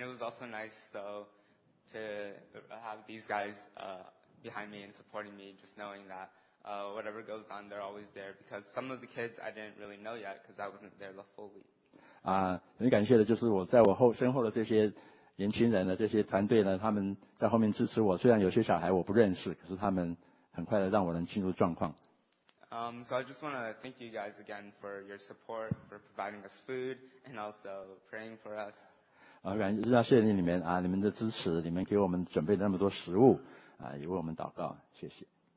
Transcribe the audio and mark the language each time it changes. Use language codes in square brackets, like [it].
[en] it was also nice, so to have these guys behind me and supporting me, just knowing that whatever goes on, they're always there. Because some of the kids I didn't really know yet, because I wasn't there the full week. [zh] 很感谢的就是我在我身后的这些。年轻人的这些团队呢，他们在后面支持我。虽然有些小孩我不认识，可是他们很快的让我能进入状况。 [en] So I just want to thank you guys again for your support, for providing us food, and also praying for us. [zh] 感谢你们啊，你们的支持，你们给我们准备那么多食物啊，也为我们祷告，谢谢。